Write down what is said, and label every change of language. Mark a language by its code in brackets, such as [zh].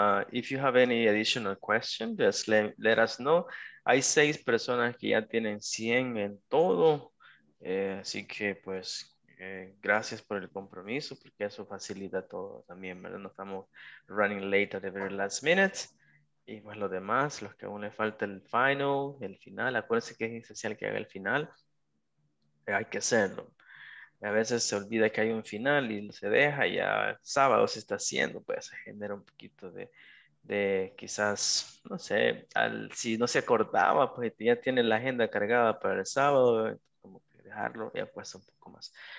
[en] If you have any additional question, just let us know. [es] Hay 6 personas que ya tienen 100 en todo. Así que, pues, gracias por el compromiso, porque eso facilita todo también, ¿verdad? No estamos [en] running late at the very last minute. [es] Y, pues, lo demás, los que aún le falta el final, el final. Acuérdense que es esencial que haga el final. Hay que hacerlo. A veces se olvida que hay un final y se deja, ya sábado se está haciendo, pues se genera un poquito de quizás, no sé, si no se acordaba, pues ya tiene la agenda cargada para el sábado, como que dejarlo ya cuesta un poco más.